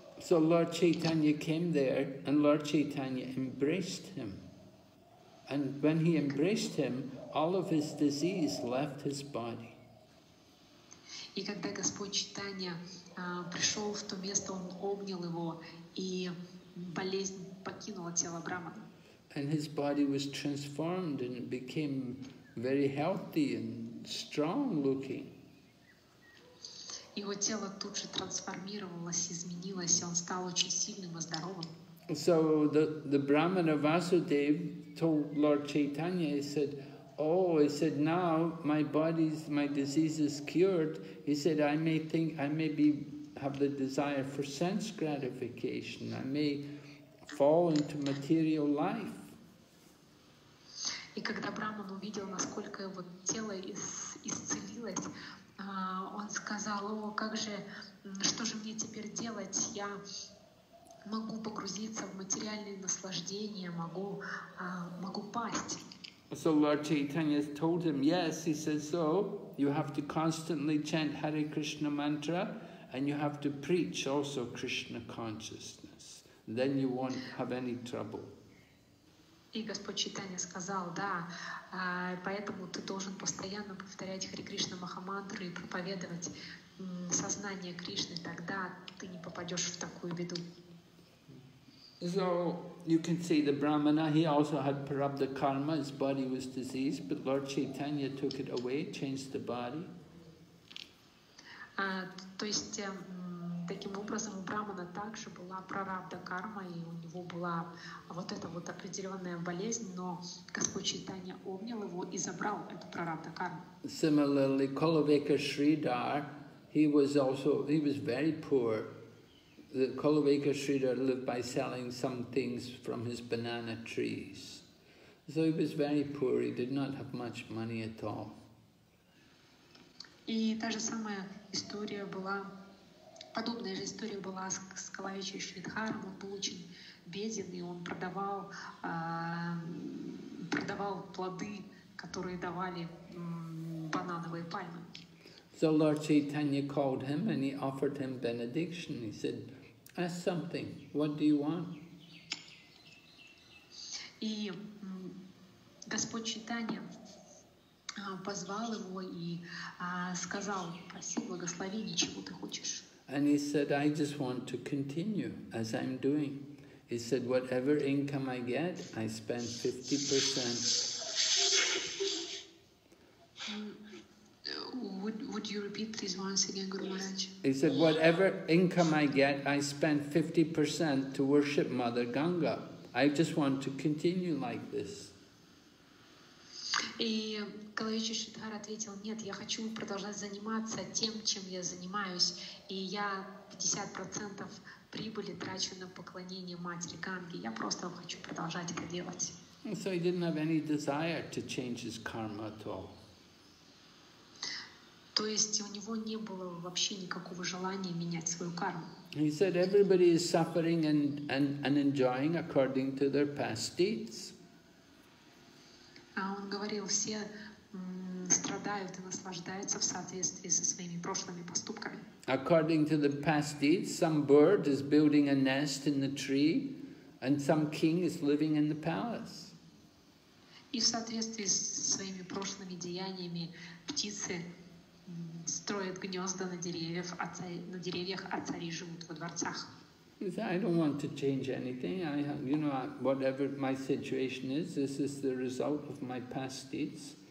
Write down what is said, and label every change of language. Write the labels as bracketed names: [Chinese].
[English] So Lord Chaitanya came there, and Lord Chaitanya embraced him. And when he embraced him, all of his disease left his body. [Russian] И когда Господь Чайтанья пришел в то место, он обнял его, и болезнь покинула тело Брахмана. [English] And his body was transformed and became very healthy and strong looking. [Russian] Его тело тут же трансформировалось, изменилось, и он стал очень сильным и здоровым. [English] So the Brahmana Vasudev told Lord Chaitanya, he said, oh, he said, now my disease is cured. He said, I may have the desire for sense gratification. I may fall into material life. [Russian] И когда Брахман увидел, насколько его тело исцелилось, он сказал, о, как же, что же мне теперь делать? Я могу погрузиться в материальные наслаждения, могу пасть. [English] So Lord Chaitanya told him, yes, he said, so you have to constantly chant Hare Krishna mantra and you have to preach also Krishna consciousness. Then you won't have any trouble. [Russian] И Господь Чайтанья сказал, да, поэтому ты должен постоянно повторять Хари Кришна Махамантру и проповедовать сознание Кришны, тогда ты не попадешь в такую беду. [English] So you can see the Brahmana, he also had prarabdha karma, his body was diseased, but Lord Chaitanya took it away, changed the body. [Russian] То есть таким образом у Брахмана также была прарабдха карма, и у него была вот эта вот определенная болезнь, но Господь Чайтанья обнял его и забрал эту прарабдху карму. [English] Similarly, Kulaveka Sridhar, he was very poor. Kulaveka Sridhar lived by selling some things from his banana trees. So he was very poor, he did not have much money at all. [Russian] И та же самая история была. Подобная же история была с Калавичей Шридхаром. Он был очень беден, и он продавал плоды, которые давали банановые пальмы. [English] So Lord Chaitanya called him and he offered him benediction. He said, ask something, what do you want? [Russian] И Господь Читания позвал его и сказал: «Проси, благослови, ничего ты хочешь». [English] And he said, I just want to continue as I'm doing. He said, whatever income I get, I spend 50%. Would you repeat this once again, Guru Maharaj? He said, whatever income I get, I spend 50% to worship Mother Ganga. I just want to continue like this. [Russian] И Калавичи Шридхар ответил: нет, я хочу продолжать заниматься тем, чем я занимаюсь, и я 50% прибыли трачу на поклонение матери Ганги. Я просто хочу продолжать это делать. [English] So he didn't have any desire to change his karma at all. [Russian] То есть у него не было вообще никакого желания менять свою карму. [English] He said everybody is suffering and enjoying according to their past deeds. [Russian] Он говорил, все страдают и наслаждаются в соответствии со своими прошлыми поступками. [English] According to the past deeds, some bird is building a nest in the tree, and some king is living in the palace. [Russian] И в соответствии со своими прошлыми деяниями птицы строят гнезда на деревьях, а цари живут во дворцах. [English] He said, I don't want to change anything. I have, you know, whatever my situation is, this is the result of my past deeds.